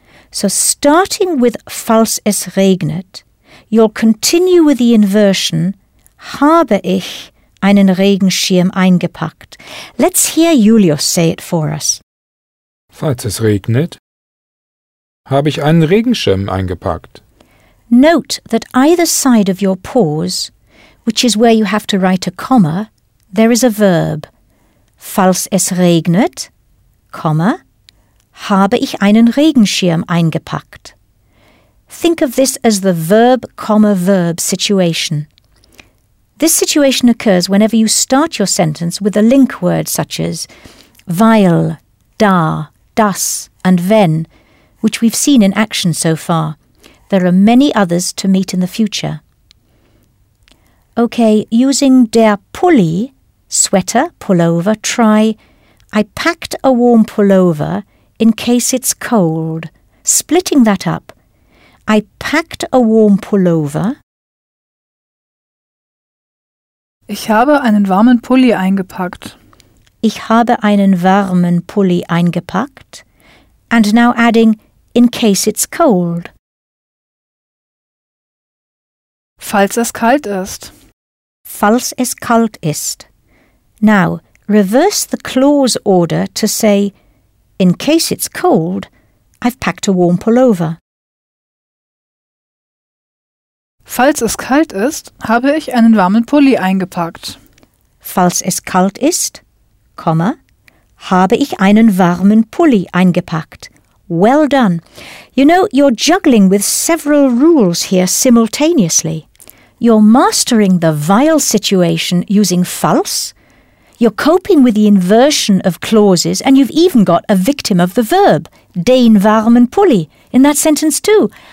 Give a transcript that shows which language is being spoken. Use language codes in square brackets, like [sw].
[en] So starting with [de] falls es regnet, [en] you'll continue with the inversion, [de] habe ich einen Regenschirm eingepackt. [en] Let's hear Julius say it for us. [de] Falls es regnet, habe ich einen Regenschirm eingepackt. [en] Note that either side of your pause, which is where you have to write a comma, there is a verb. [de] Falls es regnet, comma, habe ich einen Regenschirm eingepackt. [en] Think of this as the verb, comma, verb situation. This situation occurs whenever you start your sentence with a link word such as weil, da, das, and wenn, which we've seen in action so far. There are many others to meet in the future. Okay, using der Pulli, sweater, pullover, try, I packed a warm pullover in case it's cold, splitting that up. I packed a warm pullover. [de] Ich habe einen warmen Pulli eingepackt. Ich habe einen warmen Pulli eingepackt. [en] And now adding, in case it's cold. [de] Falls es kalt ist. Falls es kalt ist. [en] Now, reverse the clause order to say, in case it's cold, I've packed a warm pullover. [de] Falls es kalt ist, habe ich einen warmen Pulli eingepackt. Falls es kalt ist, comma, habe ich einen warmen Pulli eingepackt. [en] Well done. You know, you're juggling with several rules here simultaneously. You're mastering the vowel situation using falls. You're coping with the inversion of clauses, and you've even got a victim of the verb, [de] den warmen Pulli, [en] in that sentence too.